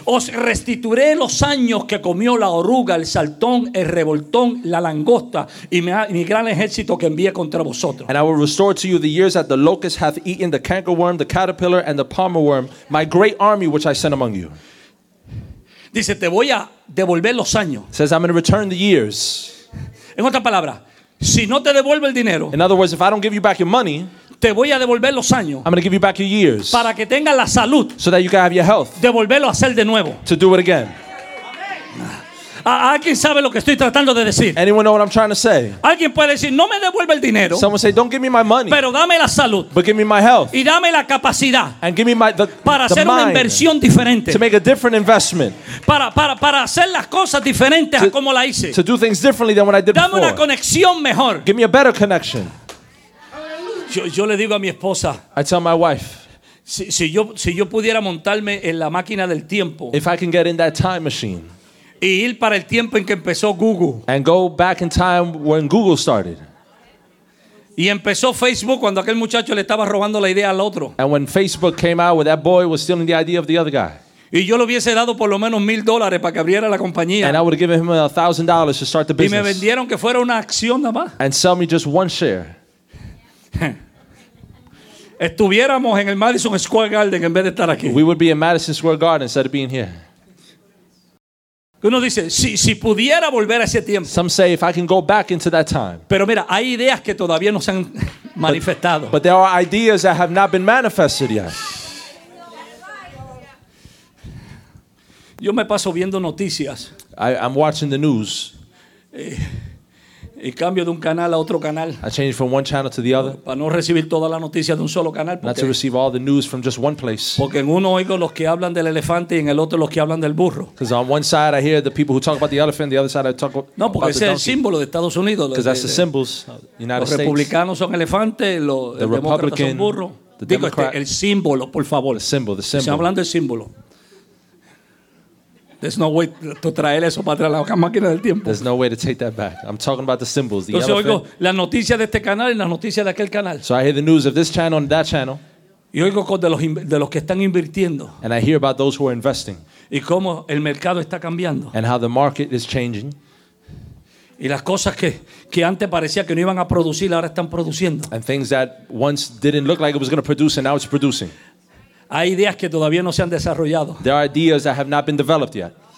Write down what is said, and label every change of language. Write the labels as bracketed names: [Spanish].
[Spanish] Os restituiré los años que comió la oruga, el saltón, el revoltón, la langosta y mi gran ejército que envié contra vosotros. [English] And I will restore to you the years that the locust hath eaten, the cankerworm, the caterpillar, and the palmerworm, my great army which I sent among you. [Spanish] Dice, te voy a devolver los años. [English] Says I'm going to return the years. [Spanish] En otra palabra, si no te devuelvo el dinero. [English] In other words, if I don't give you back your money. [Spanish] Te voy a devolver los años. [English] I'm going to give you back your years. [Spanish] Para que tengas la salud. [English] So that you can have your health. [Spanish] Devolverlo a hacer de nuevo. [English] To do it again. [Spanish] ¿Alguien sabe lo que estoy tratando de decir? [English] Anyone know what I'm trying to say? [Spanish] Alguien puede decir, no me devuelve el dinero. [English] Someone say, don't give me my money. [Spanish] Pero dame la salud. [English] But give me my health. [Spanish] Y dame la capacidad. [English] And give me [Spanish] para hacer una inversión diferente. [English] To make a different investment. [Spanish] Para hacer las cosas diferentes a como la hice. [English] To do things differently than what I did [Spanish] dame [English] before. [Spanish] Dame una conexión mejor. [English] Give me a better connection. [Spanish] Yo le digo a mi esposa. [English] I tell my wife. [Spanish] Si yo pudiera montarme en la máquina del tiempo. [English] If I can get in that time machine. [Spanish] Y ir para el tiempo en que empezó Google. [English] And go back in time when Google started. [Spanish] Y empezó Facebook cuando aquel muchacho le estaba robando la idea al otro. [English] And when Facebook came out where that boy was stealing the idea of the other guy. [Spanish] Y yo le hubiese dado por lo menos $1,000 para que abriera la compañía. [English] And I would have given him $1,000 to start the business. [Spanish] Y me vendieron que fuera una acción nada más. [English] And sell me just one share. [Spanish] Estuviéramos en el Madison Square Garden en vez de estar aquí. [English] We would be in Madison Square Garden instead of being here. [Spanish] Uno dice, si pudiera volver a ese tiempo. [English] Some say if I can go back into that time. [Spanish] Pero mira, hay ideas que todavía no se han manifestado. [English] But there are ideas that have not been manifested yet. [Spanish] Yo me paso viendo noticias. [English] I'm watching the news. [Spanish] Y cambio de un canal a otro canal. [English] I change from one channel to the other. [Spanish] Para no recibir toda la noticia de un solo canal. [English] Not to receive all the news from just one place. [Spanish] Porque en uno oigo los que hablan del elefante y en el otro los que hablan del burro. [English] Because on one side I hear the people who talk about the elephant, the other side I talk about the donkey. [Spanish] No, porque ese es el símbolo de Estados Unidos. [English] Because that's the symbols of the United States. [Spanish] Los republicanos son elefantes, los demócratas son burros. Digo, el símbolo, por favor. [English] The symbol. [Spanish] Estoy hablando del símbolo. [English] There's no way to [Spanish] traer eso para atrás la máquina del tiempo. [English] There's no way to take that back. I'm talking about the symbols. [Spanish] Entonces oigo la noticia de este canal y la noticia de aquel canal. [English] So I hear the news of this channel and that channel. [Spanish] Y oigo con de los que están invirtiendo. [English] And I hear about those who are investing. [Spanish] Y cómo el mercado está cambiando. [English] And how the market is changing. [Spanish] Y las cosas que antes parecía que no iban a producir, ahora están produciendo. [English] And things that once didn't look like it was going to produce, and now it's producing. [Spanish] Hay ideas que todavía no se han desarrollado. [English] There are ideas that have not been developed yet.